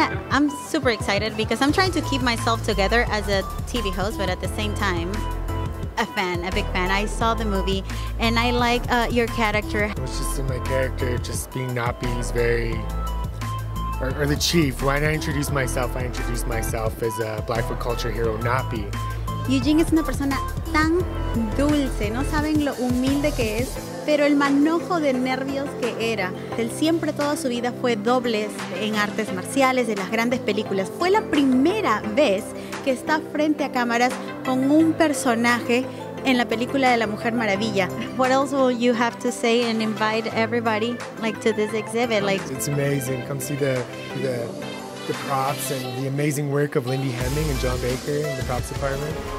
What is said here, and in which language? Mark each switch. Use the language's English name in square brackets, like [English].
[English] I'm super excited because I'm trying to keep myself together as a TV host, but at the same time, a fan, a big fan. I saw the movie and I like your character. It's just in my character, just being Nappy is very, or the chief. When I introduced myself as a Blackfoot culture hero, Nappy. [Spanish] Eugene es una persona tan dulce, no saben lo humilde que es, pero el manojo de nervios que era. Él siempre toda su vida fue dobles en artes marciales, en las grandes películas. Fue la primera vez que está frente a cámaras con un personaje en la película de La Mujer Maravilla. [English] What else will you have to say and invite everybody like to this exhibit? Like, it's amazing. Come see the props and the amazing work of Lindy Hemming and John Baker in the props department.